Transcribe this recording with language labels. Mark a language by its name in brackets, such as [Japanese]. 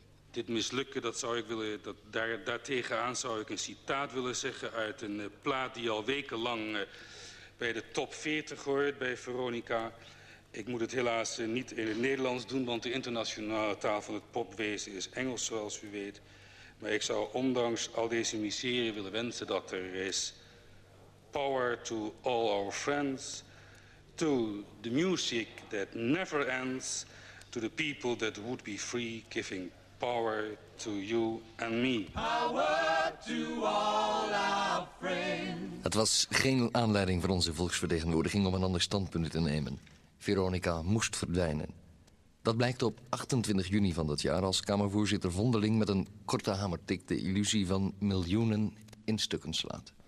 [Dutch] Dit mislukken, dat zou ik willen, daartegenaan zou ik een citaat willen zeggen uit een plaat die al wekenlang bij de top 40 hoort bij Veronica. Ik moet het helaas niet in het Nederlands doen, want de internationale taal van het popwezen is Engels, zoals u weet. Maar ik zou ondanks al deze miserie willen wensen dat er is [English] power to all our friends, to the music that never ends, to the people that would be free, giving power to you and me. Power to all our friends. [Dutch] Het was geen aanleiding voor onze volksvertegenwoordiging om een ander standpunt te nemen. Veronica moest verdwijnen. Dat blijkt op 28 juni van dat jaar als Kamervoorzitter Vondeling met een korte hamertik de illusie van miljoenen in stukken slaat.